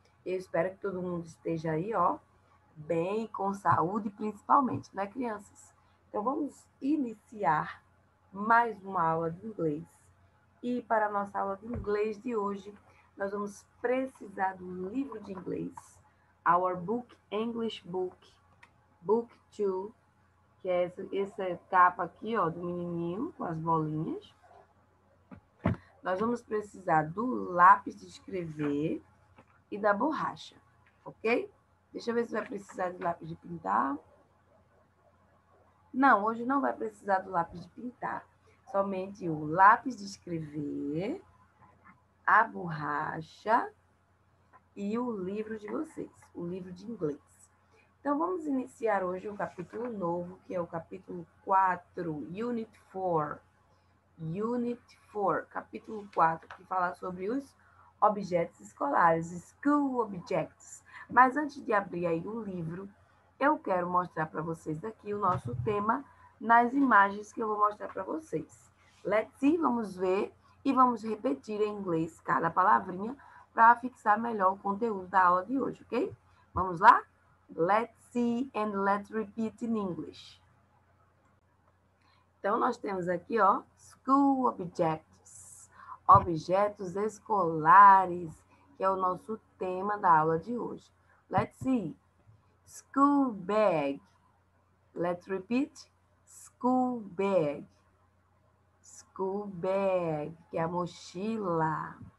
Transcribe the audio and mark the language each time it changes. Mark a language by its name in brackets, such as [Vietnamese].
[Portuguese] Eu espero que todo mundo esteja aí, ó, bem, com saúde, principalmente, né, crianças? Então, vamos iniciar mais uma aula de inglês. E para a nossa aula de inglês de hoje, nós vamos precisar de um livro de inglês. [English] Our book, English book, book 2. [Portuguese] Que é essa capa aqui, ó, do menininho com as bolinhas. Nós vamos precisar do lápis de escrever e da borracha, ok? Deixa eu ver se vai precisar de lápis de pintar. Não, hoje não vai precisar do lápis de pintar. Somente o lápis de escrever, a borracha e o livro de vocês, o livro de inglês. Então, vamos iniciar hoje o capítulo novo, que é o capítulo 4, Unit 4. Unit 4, capítulo 4, que fala sobre os objetos escolares, school objects. Mas antes de abrir aí o livro, eu quero mostrar para vocês aqui o nosso tema nas imagens que eu vou mostrar para vocês. [English] Let's see, [Portuguese] vamos ver e vamos repetir em inglês cada palavrinha para fixar melhor o conteúdo da aula de hoje, ok? Vamos lá? [English] Let's see and let's repeat in English. [Portuguese] Então, nós temos aqui, ó, school objects, objetos escolares, que é o nosso tema da aula de hoje. [English] Let's see. School bag. Let's repeat. School bag. School bag, [Portuguese] que é a mochila.